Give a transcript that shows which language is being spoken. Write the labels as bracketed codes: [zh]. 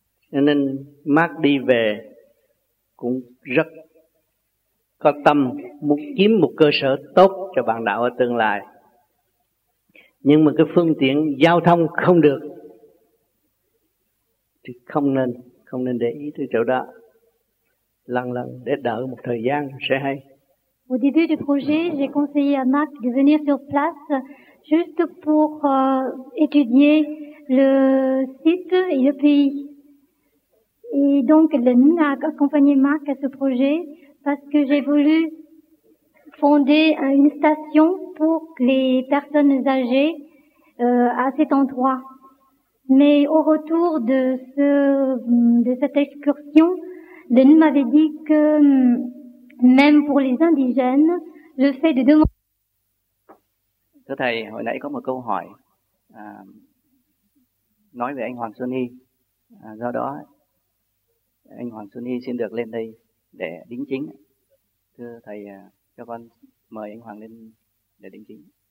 [vi] Cho nên Mark đi về cũng rất có tâm muốn kiếm một cơ sở tốt cho bạn đạo ở tương lai. Nhưng mà cái phương tiện giao thông không được thì không nên để ý tới chỗ đó. Lần lần để đợi một thời gian sẽ hay. [fr] Au début du projet, j'ai conseillé à Marc de venir sur place juste pour étudier le site et le pays. Et donc Lynn a accompagné Marc à ce projet parce que j'ai voulu fonder une station pour les personnes âgées à cet endroit. Mais au retour de cette excursion, Lynn m'avait dit que même pour les indigènes, le fait de demander... [vi] Thưa Thầy, hồi nãy có một câu hỏi nói về anh Hoàng Xuân Hy. Do đó, anh Hoàng Xuân Hy xin được lên đây để đính chính. Thưa Thầy, cho con mời anh Hoàng lên để đính chính.